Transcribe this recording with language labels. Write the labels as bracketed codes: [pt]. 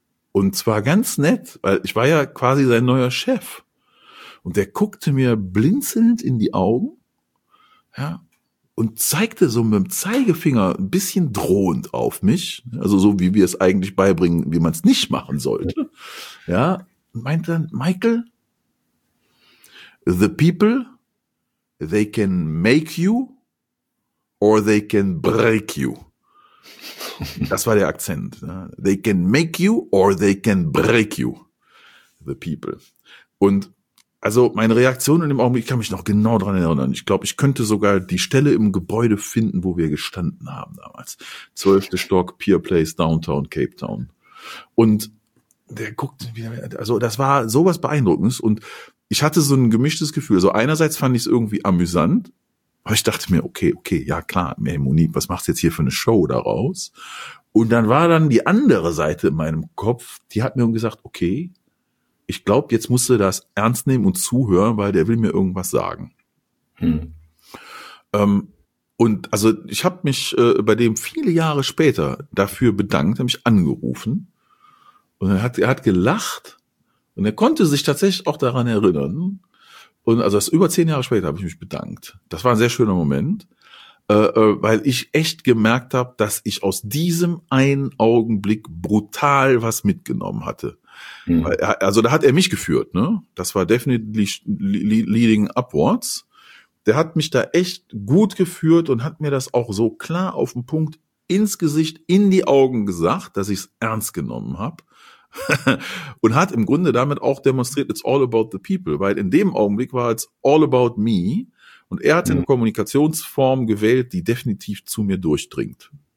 [de] Und zwar ganz nett, weil ich war ja quasi sein neuer Chef. Und der guckte mir blinzelnd in die Augen, ja, und zeigte so mit dem Zeigefinger ein bisschen drohend auf mich. Also so, wie wir es eigentlich beibringen, wie man es nicht machen sollte. Ja, und meinte dann, [en] Michael, the people, they can make you or they can break you. [de] Das war der Akzent. Ne? [en] They can make you or they can break you, the people. [de] Und also meine Reaktion in dem Augenblick, ich kann mich noch genau dran erinnern. Ich glaube, ich könnte sogar die Stelle im Gebäude finden, wo wir gestanden haben damals. 12. Stock, Pier Place, Downtown, Cape Town. Und der guckt, also das war sowas Beeindruckendes und ich hatte so ein gemischtes Gefühl. Also einerseits fand ich es irgendwie amüsant, aber ich dachte mir, okay, ja klar, hey Monique, was machst du jetzt hier für eine Show daraus? Und dann war dann die andere Seite in meinem Kopf, die hat mir gesagt, okay, ich glaube, jetzt musst du das ernst nehmen und zuhören, weil der will mir irgendwas sagen. Und also ich habe mich bei dem viele Jahre später dafür bedankt, habe mich angerufen und er hat gelacht. Und er konnte sich tatsächlich auch daran erinnern. Und also das über 10 Jahre später habe ich mich bedankt. Das war ein sehr schöner Moment, weil ich echt gemerkt habe, dass ich aus diesem einen Augenblick brutal was mitgenommen hatte. Mhm. Weil da hat er mich geführt, ne? Das war [en] definitely leading upwards. [de] Der hat mich da echt gut geführt und hat mir das auch so klar auf den Punkt ins Gesicht, in die Augen gesagt, dass ich es ernst genommen habe. Und hat im Grunde damit auch demonstriert, [en] it's all about the people, [de] weil in dem Augenblick war es [en] all about me [de] und er hat eine Kommunikationsform gewählt, die definitiv zu mir durchdringt.